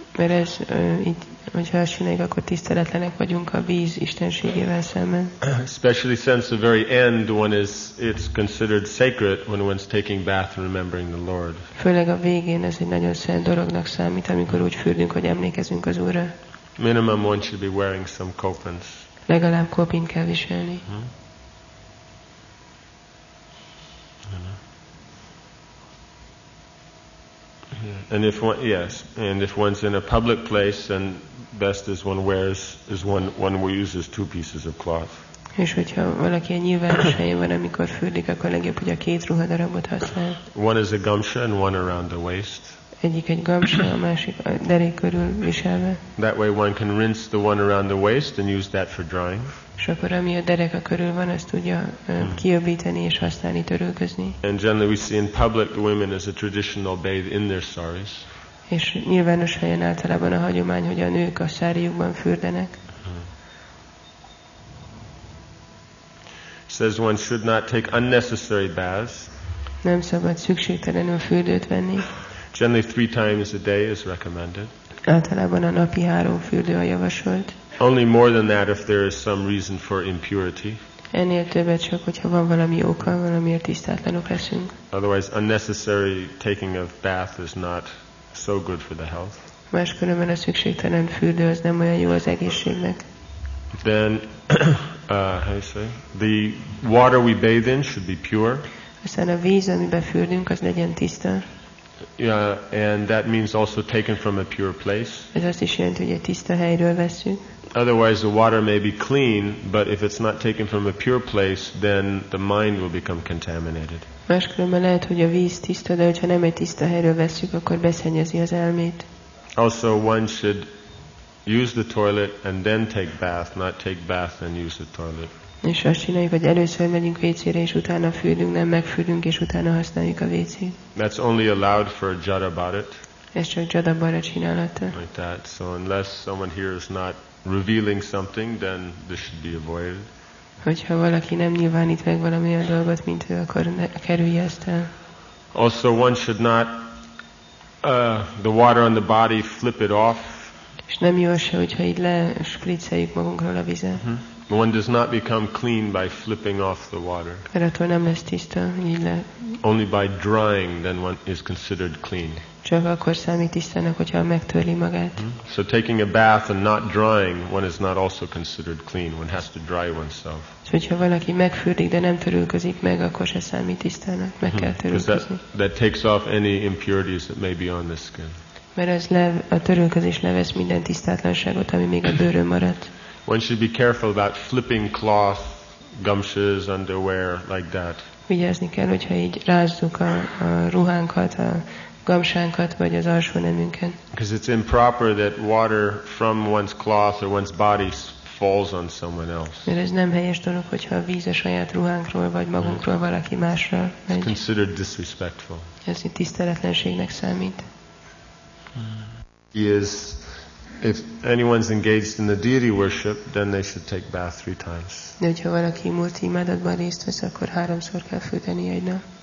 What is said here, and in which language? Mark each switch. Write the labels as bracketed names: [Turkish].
[Hungarian] Mert ez itt, hogyha elsőnek, akkor tiszteletlenek vagyunk a víz istenségével szemben. [English] Especially since the very end one is it's considered sacred when one's taking bath and remembering the Lord. [Hungarian] Főleg a végén ez egy nagyon szent dolognak számít, amikor úgy fürdünk, hogy emlékezünk az Úrra. [English] Minimum one should be wearing some kopins. [Hungarian] Legalább kopin kell viselni. [English] And if one, yes, and if one's in a public place, then best is one wears is one will use as two pieces of cloth. [Hungarian] És hogyha valaki a nyilvános helyen van, amikor fürdik, akkor legjobb, hogy a két ruhadarabot használ. [English] One is a gumsha and one around the waist. [Hungarian] Egyik egy gumsha, a másik a derék körül viselve. [English] That way one can rinse the one around the waist and use that for drying. [Hungarian] És akkor ami a derek a körül van, azt tudja kiöblíteni és használni, törölközni. [English] And generally we see in public the women as a traditional bathe in their saris. [Hungarian] És nyilvános helyen általában a hagyomány, hogy a nők a sáriukban fürdenek. [English] Says one should not take unnecessary baths. [Hungarian] Nem szabad szükségtelenül fürdőt venni. [English] Generally three times a day is recommended. [Hungarian] Általában a napi három fürdő a javasolt. [English] Only more than that if there is some reason for impurity. [Hungarian] Ennél többet csak, hogyha van valami oka, valamiért tisztátlanok leszünk. [English] Otherwise, unnecessary taking of bath is not so good for the health. [Hungarian] Máskülönben a szükségtelen fürdő az nem olyan jó az egészségnek. [English] Then, how you say? The water we bathe in should be pure. [Hungarian] Aztán a víz, amiben fürdünk, az legyen tiszta. [English] Yeah, and that means also taken from a pure place. [Hungarian] Ez azt is jelenti, hogy egy tiszta helyről veszünk. [English] Otherwise, the water may be clean, but if it's not taken from a pure place, then the mind will become contaminated. [Hungarian] Máskülönben lehet, hogy a víz tiszta, de hogyha nem egy tiszta helyről veszünk, akkor beszennyezi az elmét. [English] Also, one should use the toilet and then take bath, not take bath and use the toilet. [Hungarian] És azt csináljuk, hogy először megyünk vécére, és utána fürdünk, nem megfürdünk, és utána használjuk a vécét. [English] That's only allowed for Jadabharat. [Hungarian] Ez csak Jadabharat csinálata. [English] Like that. So unless someone here is not revealing something, then this should be avoided. [Hungarian] Hogyha valaki nem nyilvánít meg valamilyen dolgot, mint ő, akkor kerülje ezt el. [English] Also one should not the water on the body flip it off. [Hungarian] És nem jó se, hogyha így lespricceljük magunkról a vizet. [English] One does not become clean by flipping off the water. [Hungarian] Attól nem lesz tiszta, így le. [English] Only by drying then one is considered clean. [Hungarian] Csak akkor számít tisztának, hogyha megtörli magát. [English] So taking a bath and not drying, one is not also considered clean. One has to dry oneself. [Hungarian] So, hogyha valaki megfürdik, de nem törülközik meg, akkor se számít tisztának, meg kell törülközni. [English] That takes off any impurities that may be on the skin. [Hungarian] Mert ez a törülközés levesz minden tisztátlanságot, ami még a bőrön maradt. [English] One should be careful about flipping cloth, gumshes, underwear like that. [Hungarian] Vigyázni kell, hogyha így rázzuk a ruhánkat, a gamsánkat vagy az alsóneműnket. [English] Because it's improper that water from one's cloth or one's body falls on someone else. [Hungarian] Mert ez nem helyes dolog, hogyha a víz a saját ruhánkról vagy magunkról valaki másra megy. [English] It's considered disrespectful. [Hungarian] Ez egy tiszteletlenségnek számít. [English] If anyone's engaged in the deity worship, then they should take bath three times. [Hungarian] De hogyha valaki múlti imádatban részt vesz, akkor háromszor kell fürdeni egy nap.